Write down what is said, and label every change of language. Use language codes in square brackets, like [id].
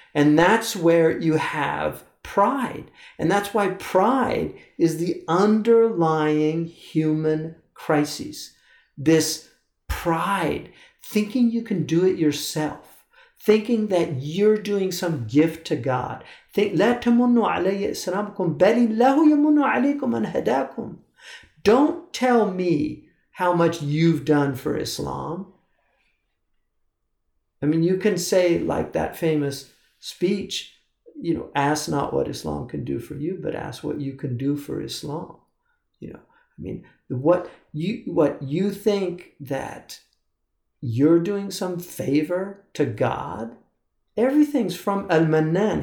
[en] And that's where you have pride. And that's why pride is the underlying human crisis. This pride, thinking you can do it yourself, thinking that you're doing some gift to God. Think, [ar] لا تمنوا علي إسلامكم بل الله يمن عليكم أن هداكم. [en] Don't tell me how much you've done for Islam. I mean, you can say like that famous speech, you know, ask not what Islam can do for you, but ask what you can do for Islam. You know, I mean, what you think that you're doing some favor to God, everything's from Al-Mannan.